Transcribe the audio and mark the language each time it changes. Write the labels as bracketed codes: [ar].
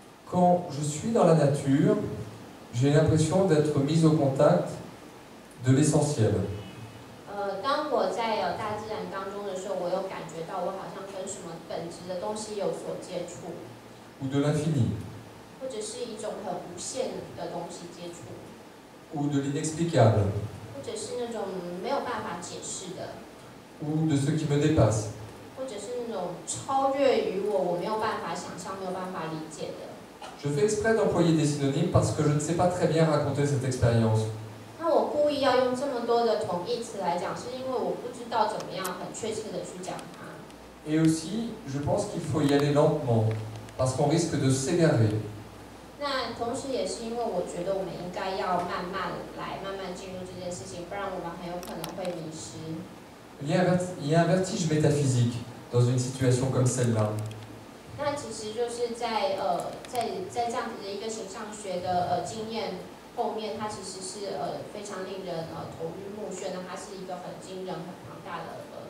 [fr] Quand je suis dans la nature, j'ai l'impression d'être mise au contact de l'essentiel. Quand je suis dans la nature, j'ai l'impression d'être mise au contact de l'essentiel. [zh] 什么本质的东西有所接触 [fr] ，ou de l'infini， [zh] 或者是一种很无限的东西接触 [fr] ，ou de l'inexplicable， [zh] 或者是那种没有办法解释的 [fr] ，ou de ce qui me dépasse， [zh] 或者是那种超越于我没有办法想象、没有办法理解的。 [fr] Je fais exprès d'employer des synonymes parce que je ne sais pas très bien raconter cette expérience。 [zh] 那我故意要用这么多的同义词来讲，是因为我不知道怎么样很确切的去讲。 [fr] Et aussi, je pense qu'il faut y aller lentement, parce qu'on risque de s'énerver. [zh] 那同时也是因为我觉得我们应该要慢慢来，慢慢进入这件事情，不然我们很有可能会迷失。 [fr] Il y a un vertige métaphysique dans une situation comme celle-là. [zh] 那其实就是在在这样子的一个形上学的经验后面，它其实是非常令人头晕目眩的，它是一个很惊人、很庞大的。